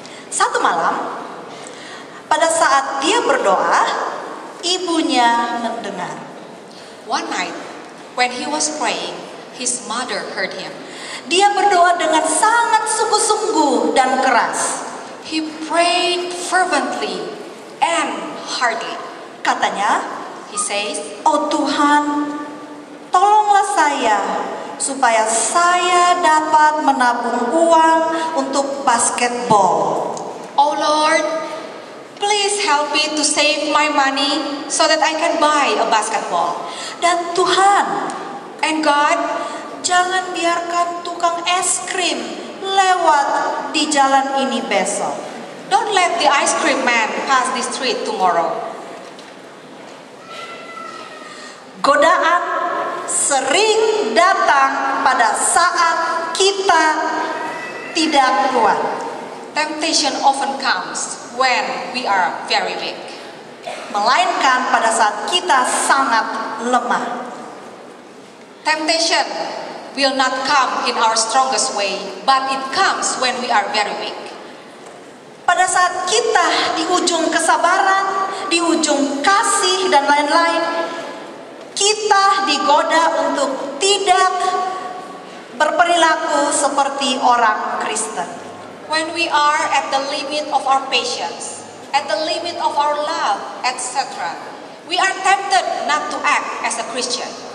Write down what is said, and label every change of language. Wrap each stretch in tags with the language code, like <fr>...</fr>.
<id>Satu malam, pada saat dia berdoa, ibunya mendengar.</id> <en>One night, when he was praying, his mother heard him.</en> <id>Dia berdoa dengan sangat sungguh-sungguh dan keras.</id> <en>He prayed fervently and heartily.</en> <id>Katanya,</id> <en>he says,</en> <id>oh Tuhan, tolonglah saya supaya saya dapat menabung uang untuk basketball.</id> <en>Oh Lord, please help me to save my money so that I can buy a basketball.</en> <id>Dan Tuhan,</id> <en>and God,</en> <id>jangan biarkan tukang es krim lewat di jalan ini besok.</id> <en>Don't let the ice cream man pass the street tomorrow.</en> <id>Godaan sering datang pada saat kita tidak kuat.</id> <en>Temptation often comes when we are very weak.</en> <id>Melainkan pada saat kita sangat lemah.</id> <en>Temptation will not come in our strongest way, but it comes when we are very weak.</en> <id>Pada saat kita di ujung kesabaran, di ujung kasih dan lain-lain, kita digoda untuk tidak berperilaku seperti orang Kristen.</id> <en>When we are at the limit of our patience, at the limit of our love, etc., we are tempted not to act as a Christian.</en>